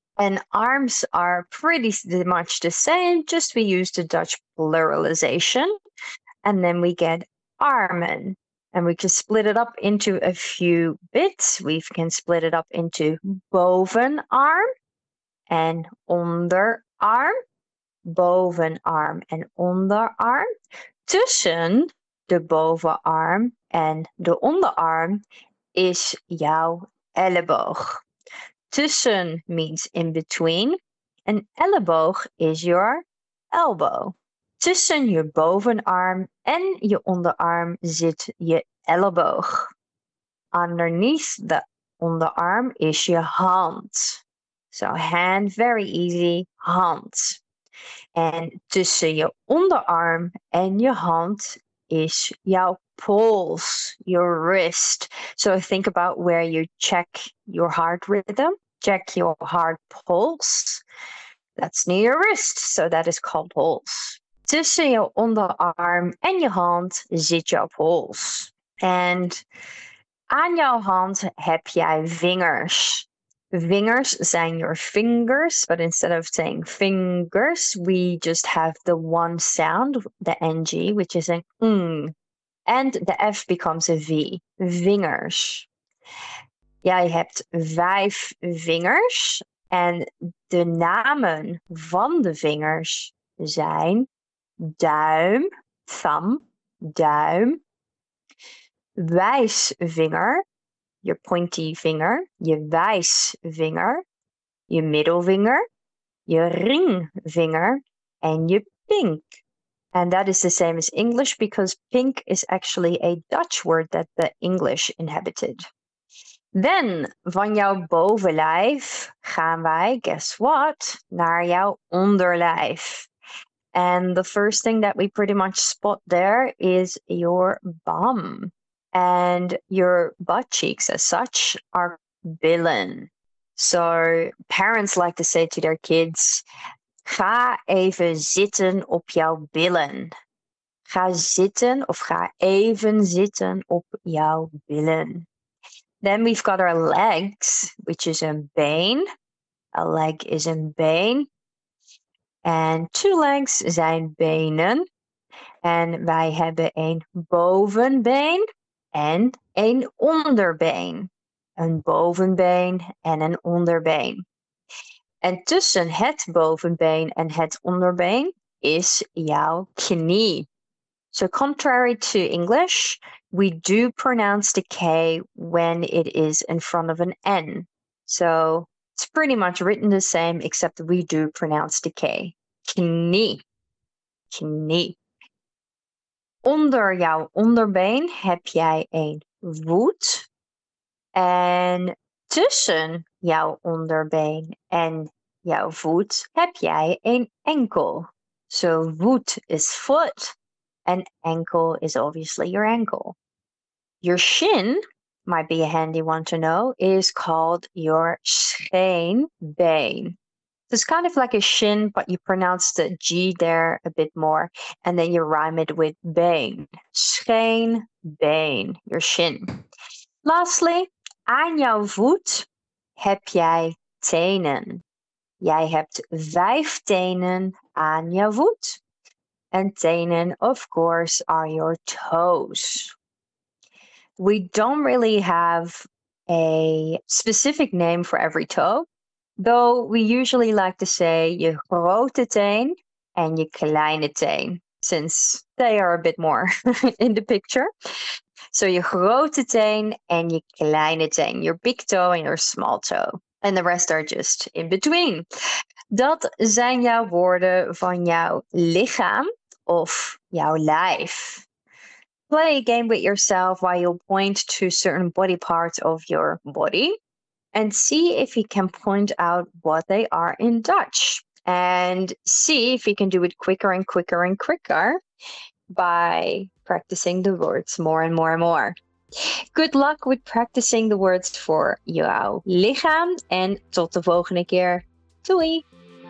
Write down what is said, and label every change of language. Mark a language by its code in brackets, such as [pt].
[en] And arms are pretty much the same, just we use the Dutch pluralization. And then we get armen. And we can split it up into a few bits. We can split it up into bovenarm and onderarm. [nl] Bovenarm and onderarm. Tussen de bovenarm and de onderarm is jouw elleboog. [en] Tussen means in between. An elleboog is your elbow. [nl] Tussen je bovenarm en je onderarm zit je elleboog. [en] Underneath the onderarm is je hand. So hand, very easy, hand. [nl] En tussen je onderarm en je hand is jouw pols, [en] your wrist. So think about where you check your heart rhythm, check your heart pulse. That's near your wrist, so that is called pulse. [nl] Tussen je onderarm en je hand zit jouw pols. En aan jouw hand heb jij vingers. [en] Vingers zijn your fingers, but instead of saying fingers, we just have the one sound, the ng, which is an ng. And the F becomes a V. Vingers. [nl] Ja, je hebt vijf vingers. En de namen van de vingers zijn duim, thumb, duim, wijsvinger, je pointy vinger, je wijsvinger, je middelvinger, je ringvinger en je pink. [en] And that is the same as English because pink is actually a Dutch word that the English inhabited. [nl] Then, van jouw bovenlijf gaan wij, [en] guess what, [nl] naar jouw onderlijf. [en] And the first thing that we pretty much spot there is your bum. And your butt cheeks as such are billen. So, parents like to say to their kids, [nl] ga even zitten op jouw billen. Ga zitten of ga even zitten op jouw billen. [en] Then we've got our legs, which is [nl] een been. [en] A leg is [nl] een been. [en] And two legs [nl] zijn benen. And wij hebben een bovenbeen en een onderbeen. Een bovenbeen en een onderbeen. En tussen het bovenbeen en het onderbeen is jouw knie. [en] So contrary to English, we do pronounce the K when it is in front of an N. So it's pretty much written the same, except we do pronounce the K. [nl] Knie. Knie. Onder jouw onderbeen heb jij een voet. En tussen jouw onderbeen en jouw voet heb jij een enkel. [en] So voet is foot. An ankle is obviously your ankle. Your shin, might be a handy one to know, is called your scheenbeen. So it's kind of like a shin, but you pronounce the G there a bit more, and then you rhyme it with been. Scheenbeen, your shin. [nl] Lastly, aan jouw voet heb jij tenen. Jij hebt vijf tenen aan jouw voet. [en] And tenen, of course, are your toes. We don't really have a specific name for every toe, though we usually like to say [nl] je grote teen [en] and [nl] je kleine teen, [en] since they are a bit more in the picture. So [nl] je grote teen [en] and [nl] je kleine teen, [en] your big toe and your small toe. And the rest are just in between. [nl] Dat zijn jouw woorden van jouw lichaam. Of jouw lijf. [en] Play a game with yourself while you point to certain body parts of your body and see if you can point out what they are in Dutch and see if you can do it quicker and quicker and quicker by practicing the words more and more and more. Good luck with practicing the words for [nl] jouw lichaam en tot de volgende keer. Doei!